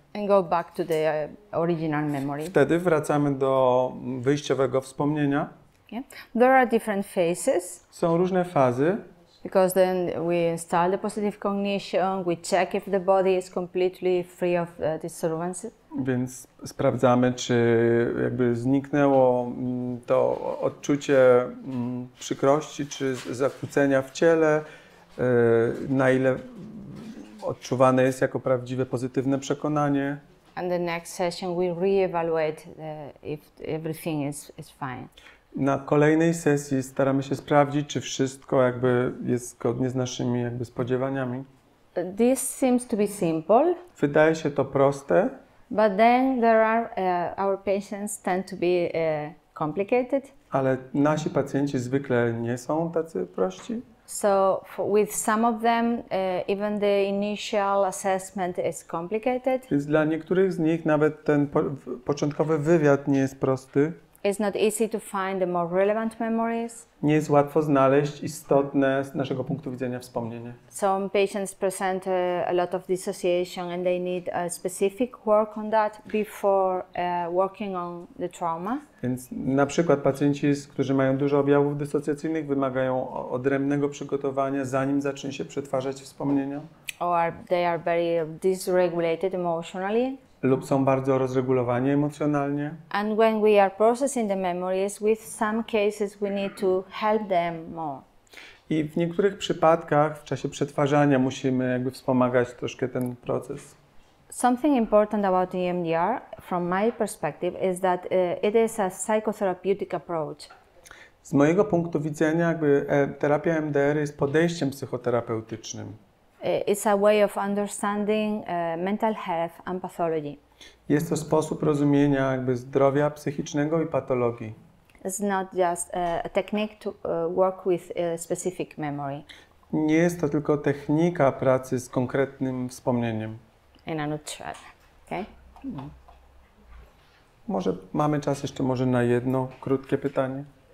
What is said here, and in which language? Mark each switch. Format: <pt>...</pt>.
<en>And go back to the original memory.</en> <pl>Wtedy wracamy do wyjściowego wspomnienia.</pl> <en>Okay. There are different phases.</en> <pl>Są różne fazy.</pl> <en>Because then we install the positive cognition, we check if the body is completely free of disturbances.</en> <pl>Więc sprawdzamy, czy jakby zniknęło to odczucie przykrości, czy zakłócenia w ciele, na ile odczuwane jest jako prawdziwe pozytywne przekonanie.</pl> <en>And the next session we reevaluate if everything is fine.</en> <pl>Na kolejnej sesji staramy się sprawdzić, czy wszystko jakby jest zgodnie z naszymi jakby spodziewaniami.</pl> <en>This seems to be simple.</en> <pl>Wydaje się to proste.</pl> <en>But then there are our patients tend to be complicated.</en> <pl>Ale nasi pacjenci zwykle nie są tacy prości.</pl> <en>So with some of them even the initial assessment is complicated.</en> <pl>Więc dla niektórych z nich nawet ten początkowy wywiad nie jest prosty.</pl> <en>It's not easy to find the more relevant memories.</en> <pl>Nie jest łatwo znaleźć istotne z naszego punktu widzenia wspomnienie.</pl> <en>Some patients present a lot of dissociation and they need a specific work on that before working on the trauma.</en> <pl>Więc na przykład pacjenci, którzy mają dużo objawów dysocjacyjnych, wymagają odrębnego przygotowania, zanim zacznie się przetwarzać wspomnienia.</pl> <en>Or they are very dysregulated emotionally.</en> <pl>lub są bardzo rozregulowani emocjonalnie.</pl> <en>And when we are processing the memories, with some cases we need to help them more.</en> <pl>I w niektórych przypadkach w czasie przetwarzania musimy jakby wspomagać troszkę ten proces.</pl> <en>Something important about EMDR from my perspective is that it is a psychotherapeutic approach.</en> <pl>Z mojego punktu widzenia jakby terapia EMDR jest podejściem psychoterapeutycznym.</pl> <en>It's a way of understanding mental health and pathology.</en> <pl>Jest to sposób rozumienia jakby zdrowia psychicznego i patologii.</pl> <en>It's not just a technique to work with a specific memory.</en> <pl>Nie jest to tylko technika pracy z konkretnym wspomnieniem.</pl> <en>In a nutshell, okay?</en> <pl>Może mamy czas jeszcze może na jedno krótkie pytanie?</pl>